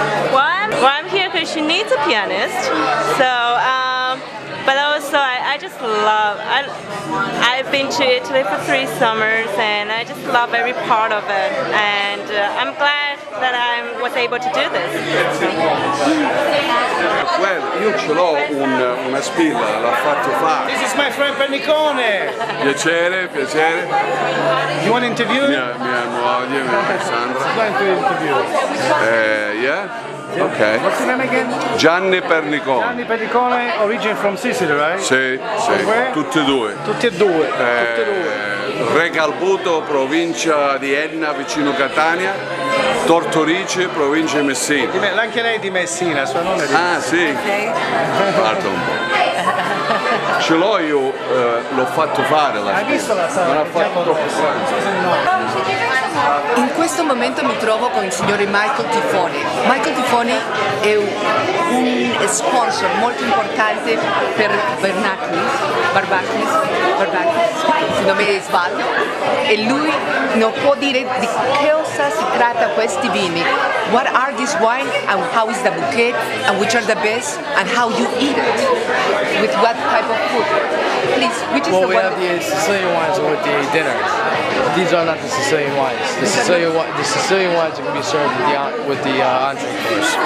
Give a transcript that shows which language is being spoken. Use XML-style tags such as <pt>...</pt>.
<en>Well, I'm here because she needs a pianist, so, but also I just love, I've been to Italy for 3 summers and I just love every part of it, and I'm glad that I was able to do this.</en> <it>Well, io ce l'ho una spilla, l'ha fatto fare.</it> <en>This is my friend Pernicone.</en> <it>Piacere, piacere.</it> <en>You want to interview?</en> <it>Mia moglie, mia Alessandra.</it> <en>Yeah? Okay. What's your name again? Gianni Pernicone, origin from Sicily, right?</en> <it>Sì, sì. Tutti e due. Tutti e due. Re Calbuto, provincia di Enna, vicino Catania. Tortorice, provincia di Messina. Anche lei è di Messina, sua nonna è di Messina. Ah, sì.</it> <en>Okay.</en> <it>Guarda un po'. Ce l'ho io, l'ho fatto fare la. Hai visto la sala? Non ha fatto In questo momento mi trovo con il signore Michael Tifone. Michael Tifone è un sponsor molto importante per Barbacchis, se non mi sbaglio, e lui non può dire di cosa si tratta questi vini.</it> <en>What are these wines and how is the bouquet and which are the best and how you eat it? With what type of food? Please, which is well, the one? Well, we have the Sicilian wines with the dinner. These are not the Sicilian wines. The Sicilian wines can be served with the entree course.</en>